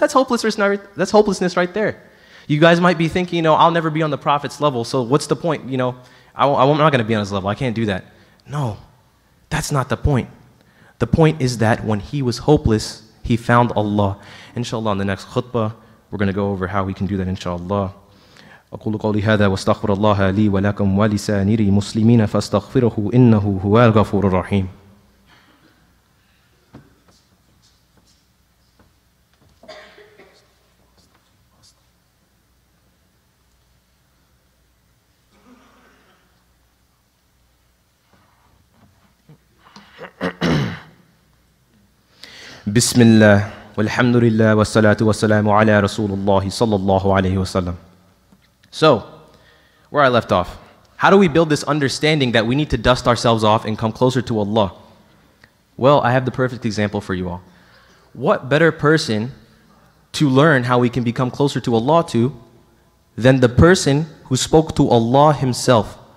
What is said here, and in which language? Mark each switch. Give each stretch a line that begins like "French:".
English: That's hopelessness right there. You guys might be thinking, you know, I'll never be on the prophet's level, so what's the point? You know, I'm not going to be on his level. I can't do that. No, that's not the point. The point is that when he was hopeless, he found Allah. Inshallah, in the next khutbah, we're going to go over how we can do that, inshallah.
Arabic: أقول قولي هذا واستغفر الله لي ولكم ولسائر المسلمين فاستغفره إنه هو الغفور الرحيم. بسم الله والحمد لله والصلاة والسلام على رسول الله صلى الله عليه وسلم.
English: So, where I left off. How do we build this understanding that we need to dust ourselves off and come closer to Allah? Well, I have the perfect example for you all. What better person to learn how we can become closer to Allah to than the person who spoke to Allah himself?